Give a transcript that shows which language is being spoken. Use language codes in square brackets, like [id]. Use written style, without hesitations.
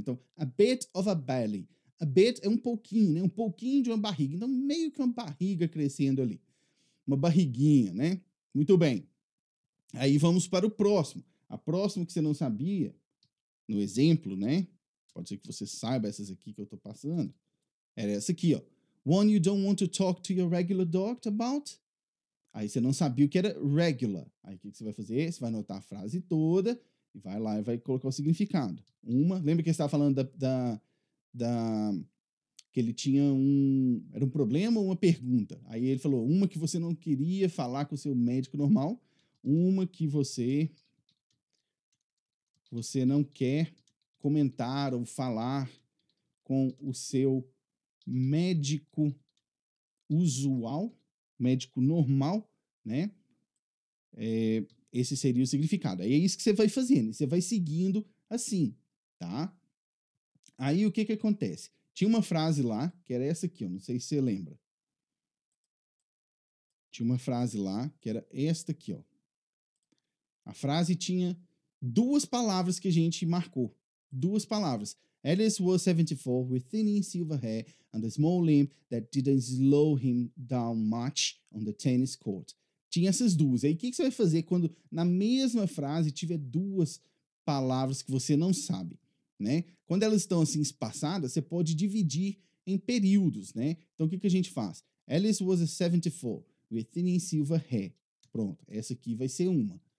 [pt] Então, a bit of a belly. A bit é um pouquinho, né? Um pouquinho de uma barriga. Então, meio que uma barriga crescendo ali. Uma barriguinha, né? Muito bem. Aí vamos para o próximo. A próxima que você não sabia, no exemplo, né? Pode ser que você saiba essas aqui que eu tô passando. Era essa aqui, ó. [en] One you don't want to talk to your regular doctor about. [pt] Aí você não sabia o que era regular. Aí o que você vai fazer? Você vai anotar a frase toda e vai lá e vai colocar o significado. Uma, lembra que você estava falando da que ele tinha era um problema ou uma pergunta? Aí ele falou, uma que você não queria falar com o seu médico normal. Uma que você não quer comentar ou falar com o seu médico usual, médico normal, né? Esse seria o significado. Aí é isso que você vai fazendo, você vai seguindo assim, tá? Aí o que que acontece? Tinha uma frase lá, que era essa aqui, eu não sei se você lembra. Tinha uma frase lá, que era esta aqui, ó. A frase tinha duas palavras que a gente marcou. Duas palavras. [en] Ellis was 74 with thinning silver hair and a small limp that didn't slow him down much on the tennis court. [pt] Tinha essas duas. Aí o que você vai fazer quando na mesma frase tiver duas palavras que você não sabe, né? Quando elas estão assim espaçadas, você pode dividir em períodos, né? Então o que a gente faz? [en] Ellis was a 74 with thinning silver hair. [pt] Pronto, essa aqui vai ser uma.